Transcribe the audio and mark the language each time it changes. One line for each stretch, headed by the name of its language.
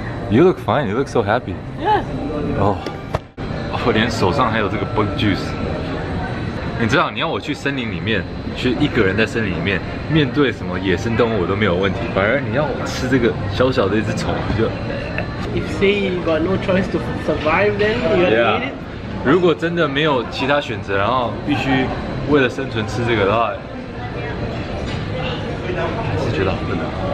English: You look fine. You look so happy. Yes.
Chinese: Oh, 我连手上还有这个 bug juice。你知道，你要我去森林里面，去一个人在森林里面面对什么野生动物，我都没有问题。反而你要我吃这个小小的一只虫，就。
English: If say you got no choice to survive, then you need it.
Chinese: 如果真的没有其他选择，然后必须为了生存吃这个的话，还是觉得好困难。